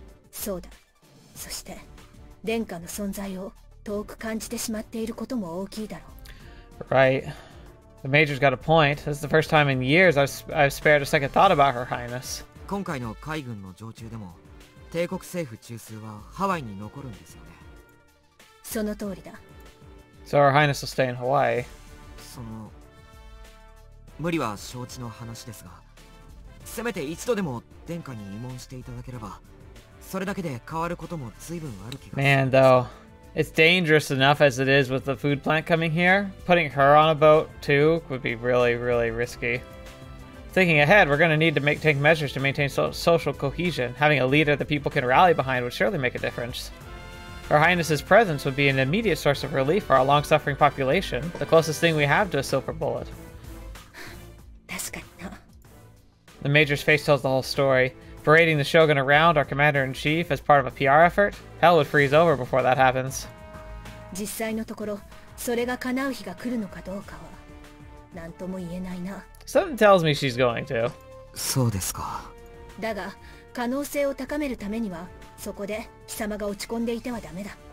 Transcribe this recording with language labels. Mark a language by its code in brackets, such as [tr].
[ja] そうだ。そして、殿下の存在を、遠く感じてしまっていることも大きいだろう。 [en] Right. The Major's got a point. This is the first time in years I've spared a second thought about Her Highness. [ja] 今回の海軍の常駐でも、帝国政府中枢はハワイに残るんですよね。その通りだ。 [en] So Her Highness will stay in Hawaii. [ja] その、無理は承知の話ですが、せめて一度でも殿下に慰問していただければ、それだけで変わることも随分ある気がします。 [en] Man, though. It's dangerous enough as it is with the food plant coming here. Putting her on a boat, too, would be really, really risky. Thinking ahead, we're going to need to take measures to maintain social cohesion. Having a leader that people can rally behind would surely make a difference. Her Highness's presence would be an immediate source of relief for our long-suffering population, the closest thing we have to a silver bullet. The Major's face tells the whole story. Parading the Shogun around our Commander-in-Chief as part of a PR effort? Hell would freeze over before that happens. [ja] 実際のところ、それが叶う日が来るのかどうかは、何とも言えないな。 [en] Something tells me she's going to. [ja] そうですか。だが、可能性を高めるためには、そこで貴様が落ち込んでいてはダメだ。